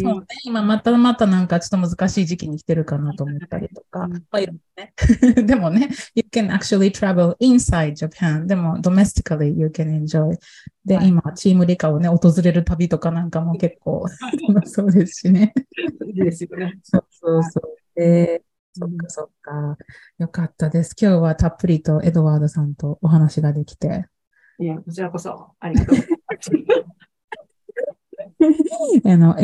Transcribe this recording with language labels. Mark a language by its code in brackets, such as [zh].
[ja] そうね、今またまたなんかちょっと難しい時期に来てるかなと思ったりとか。でもね、 [en] you can actually travel inside Japan, でも domestically you can enjoy. [ja] で、はい、今、チームリカをね、訪れる旅とかなんかも結構楽しそうですしね。いいですよね。そうそうそう。そっかそっか。よかったです。今日はたっぷりとエドワードさんとお話ができて。いや、こちらこそ、ありがとうございます。